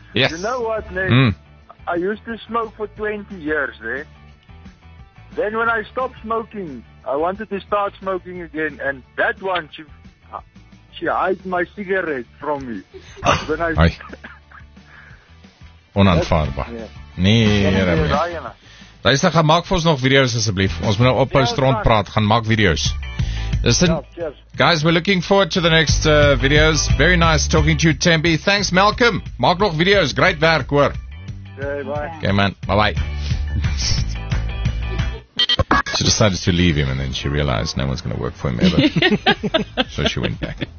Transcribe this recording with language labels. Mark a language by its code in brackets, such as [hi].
[en] yes. You know what, man? I used to smoke for 20 years, eh? Then when I stopped smoking, I wanted to start smoking again, and that one, she hid my cigarette from me. When I... [af] Onaanvaardbaar. Nee, luister, gaan maak vir ons nog video's asseblief. Ons moet nou ophou stront praat, gaan maak video's. [en] Listen, guys, we're looking forward to the next videos. Very nice talking to you, Tembi. Thanks, Malcolm. [af] Maak nog video's. [en] Great werk, hoor. Okay, bye. Okay, man. Bye-bye. She decided to leave him, and then she realized no one's going to work for him ever. So she went back.